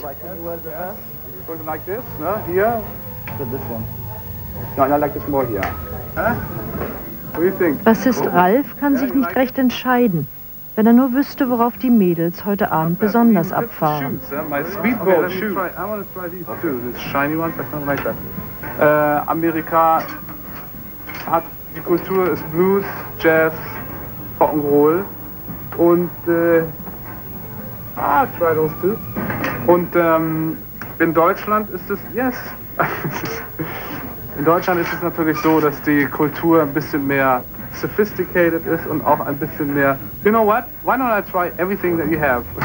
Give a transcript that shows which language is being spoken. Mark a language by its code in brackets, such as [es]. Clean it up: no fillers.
[en] Something like this, ne? [de] Hier? [en] This one. No, I like this more here. Huh? [de] Bassist Ralf kann sich nicht recht entscheiden. Wenn er nur wüsste, worauf die Mädels heute Abend besonders abfahren. [en] My speedball shoes. I want to try these too. These shiny ones, I don't like that. [de] Amerika hat die Kultur ist Blues, Jazz, Rock'n'Roll. [en] Und try those too. [de] Und in Deutschland ist es, yes. In Deutschland ist es natürlich so, dass die Kultur ein bisschen mehr sophisticated ist und auch ein bisschen mehr. [en] You know what? Why don't I try everything that you have?